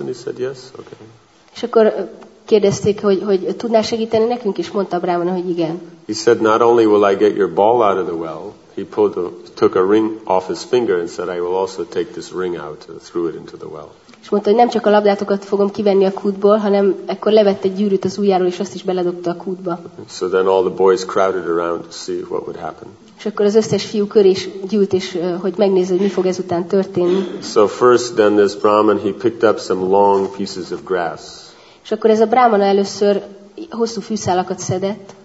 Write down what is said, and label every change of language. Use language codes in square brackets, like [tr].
[en] And he said yes. Okay. [hu] És akkor kérdezték, hogy tudnál segíteni nekünk, és mondta Brahmana, hogy igen. [en] He said, not only will I get your ball out of the well, he pulled took a ring off his finger and said, I will also take this ring out and threw it into the well. [hu] És mondta, hogy nem csak a labdátokat fogom kivenni a kútból, hanem ekkor levett egy gyűrűt az ujjáról, és azt is beledobta a kútba. [en] So then all the boys crowded around to see what would happen. [hu] És akkor az összes fiú kör is gyűlt, és hogy megnézze, hogy mi fog ezután történni. [en] So first then this Brahmin, he picked up some long pieces of grass. [hu] És akkor ez a Brahmana először hosszú fűszálakat szedett.